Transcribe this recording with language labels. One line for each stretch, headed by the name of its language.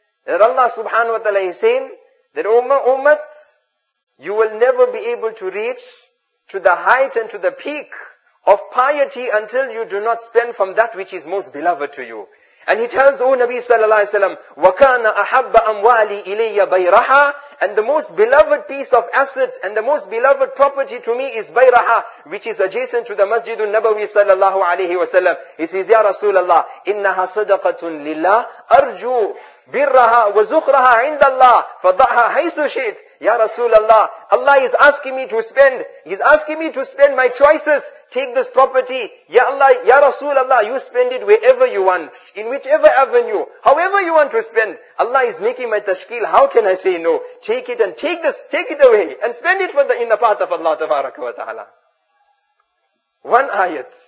English: That Allah subhanahu wa ta'ala is saying that ummah, you will never be able to reach to the height and to the peak of piety until you do not spend from that which is most beloved to you. And he tells, O Nabi sallallahu alayhi wa sallam,
Arabic: وَكَانَ أَحَبَّ أَمْوَالِي إِلَيَّ بَيْرَحَا.
English: And the most beloved piece of asset and the most beloved property to me is Bayraha, which is adjacent to the Masjid al-Nabawi sallallahu alayhi wa sallam. He says, Ya Rasulullah,
Arabic: إِنَّهَا صَدَقَةٌ لِلَّهِ أَرْجُو بِرَّهَا وَزُخْرَهَا عِنْدَ اللَّهِ فَضَعْهَا حَيْسُ شِئْتَ.
English: Ya Rasulullah, Allah is asking me to spend. He's asking me to spend my choices. Take this property. Ya Allah, Ya Rasulullah, you spend it wherever you want, in whichever avenue, however you want to spend. Allah is making my tashkil. How can I say no? Take it and take this, take it away and spend it in the path of Allah tabaraka wa ta'ala. One ayat.